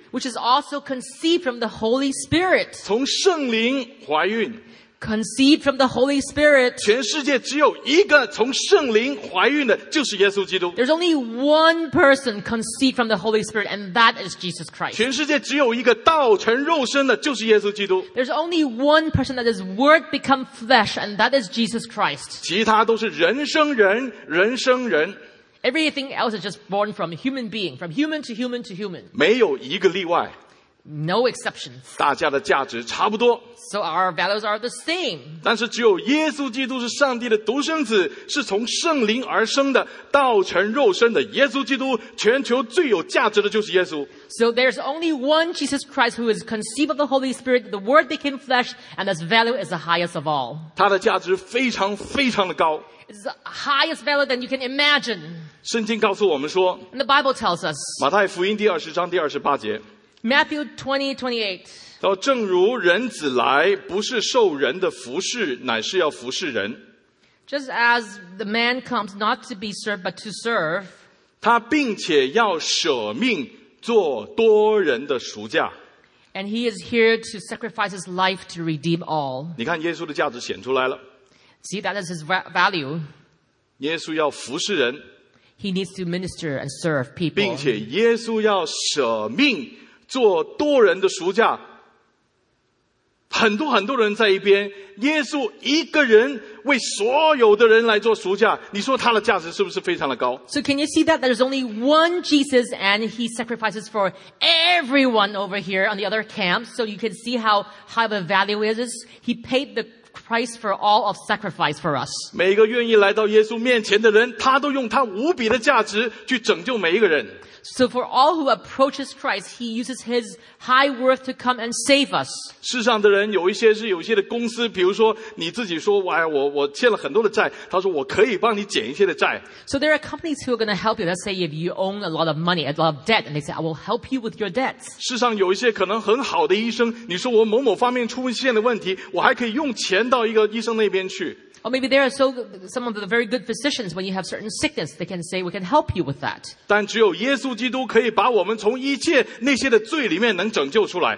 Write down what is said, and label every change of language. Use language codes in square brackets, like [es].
[en] which is also conceived from the Holy Spirit, [zh] 从圣灵怀孕, [en] conceived from the Holy Spirit, [zh] 全世界只有一个从圣灵怀孕的就是耶稣基督。 [en] There's only one person conceived from the Holy Spirit, and that is Jesus Christ. [zh] 全世界只有一个道成肉身的就是耶稣基督。 [en] There's only one person that is Word become flesh, and that is Jesus Christ. [zh] 其他都是人生人，人生人。 [en] Everything else is just born from human being, from human to human to human. [zh] 没有一个例外。 [en] No exceptions. [zh] 大家的价值差不多。 [en] So our values are the same. [zh] 但是只有耶稣基督是上帝的独生子，是从圣灵而生的，道成肉身的耶稣基督，全球最有价值的就是耶稣。 [en] So there's only one Jesus Christ who is conceived of the Holy Spirit, the Word became flesh, and his value is the highest of all. [zh] 他的价值非常非常的高。 [en] It's the highest value than you can imagine. [zh] 圣经告诉我们说， [en] And the Bible tells us, [zh] 马太福音第二十章第二十八节。 [en] Matthew 20:28. [zh] 到正如人子来，不是受人的服侍，乃是要服侍人。 [en] Just as the man comes not to be served but to serve. [zh] 他并且要舍命做多人的赎价。 [en] And he is here to sacrifice his life to redeem all. [zh] 你看耶稣的价值显出来了。 [en] See that is his value. [zh] 耶稣要服侍人。 [en] He needs to minister and serve people. [zh] 并且耶稣要舍命。做多人的赎价，很多很多人在一边，耶稣一个人为所有的人来做赎价，你说他的价值是不是非常的高？ [en] So can you see that there's only one Jesus and he sacrifices for everyone over here on the other camp? So you can see how high the value is. He paid the price for all of sacrifice for us. [zh] 每个愿意来到耶稣面前的人，他都用他无比的价值去拯救每一个人。 [en] So for all who approaches Christ, he uses his high worth to come and save us. [zh] 世上的人有一些是有一些的公司，比如说你自己说，哎，我欠了很多的债，他说我可以帮你减一些的债。 [en] So there are companies who are going to help you. Let's say if you own a lot of money, a lot of debt, and they say, I will help you with your debts. [zh] 世上有一些可能很好的医生，你说我某某方面出现的问题，我还可以用钱到一个医生那边去。 [en] Or maybe there are so, some of the very good physicians when you have certain sickness, they can say, we can help you with that. [zh] 但只有耶稣基督可以把我们从一切那些的罪里面能拯救出来。